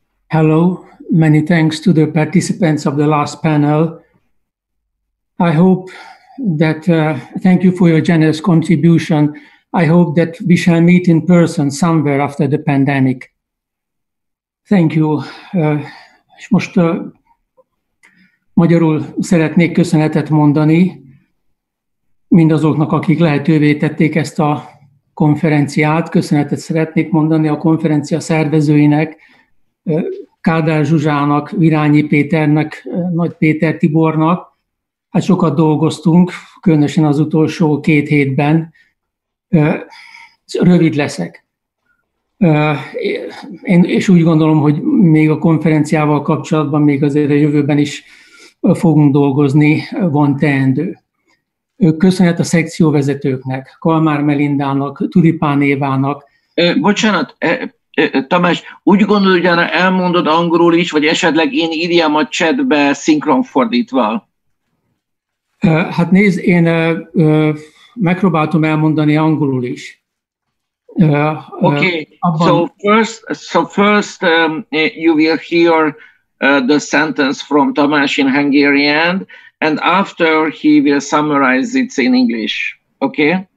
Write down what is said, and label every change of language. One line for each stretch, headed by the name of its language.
English: Hello, many thanks to the participants of the last panel. I hope that, thank you for your generous contribution. I hope that we shall meet in person somewhere after the pandemic. Thank you.
Hungarian: És most magyarul szeretnék köszönetet mondani mindazoknak, akik lehetővé tették ezt a konferenciát. Köszönetet szeretnék mondani a konferencia szervezőinek, Kádár Zsuzsának, Virányi Péternek, Nagy Péter Tibornak. Hát sokat dolgoztunk, különösen az utolsó két hétben. Rövid leszek. Én és úgy gondolom, hogy még a konferenciával kapcsolatban még azért a jövőben is fogunk dolgozni, van teendő. Köszönhet a szekcióvezetőknek, Kalmár Melindának, Tulipán Évának. Bocsánat, Tamás, úgy gondolod, hogy elmondod angolul is, vagy esetleg én írjam a chatbe szinkron fordítva? Hát nézd, én megpróbáltam elmondani angolul is. Okay, abban...
English: so first you will hear the sentence from Tamás in Hungarian, and after he will summarize it in English, okay?